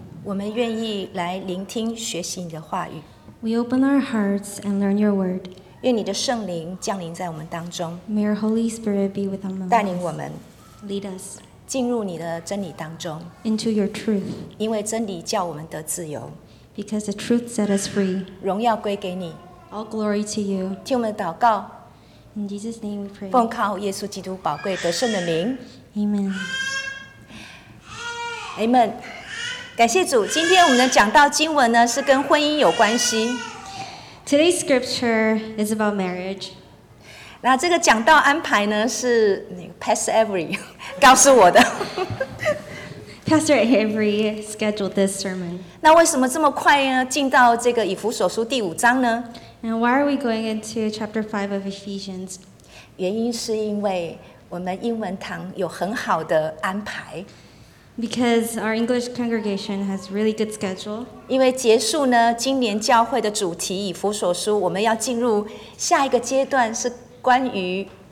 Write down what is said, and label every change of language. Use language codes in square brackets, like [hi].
[zh] 我们愿意来聆听学习你的话语, [en] we open our hearts and learn your word. [zh] 愿你的圣灵降临在我们当中, [en] may your Holy Spirit be with among us. [zh] 带领我们, [en] lead us. [zh] 进入你的真理当中, [en] into your truth. [zh] 因为真理叫我们得自由, [en] because the truth set us free. [zh] 荣耀归给你, [en] all glory to you. [zh] 听我们的祷告, [en] in Jesus' name we pray. [zh] 奉靠耶稣基督宝贵得胜的名, [en] Amen. Amen. [zh] 感谢主, 今天我们讲到经文呢, 是跟婚姻有关系。 [en] Today's scripture is about marriage. [zh] 那这个讲道安排呢, 是 Pastor Avery 告诉我的。 [en] Pastor Avery scheduled this sermon. [zh] 那为什么这么快呢, 进到这个以弗所书第五章呢? [en] And why are we going into chapter 5 of Ephesians? [zh] 原因是因为我们英文堂有很好的安排。 [en] Because our English congregation has really good schedule. [zh] 因为结束呢, 今年教会的主题以弗所书, 我们要进入下一个阶段是 关于,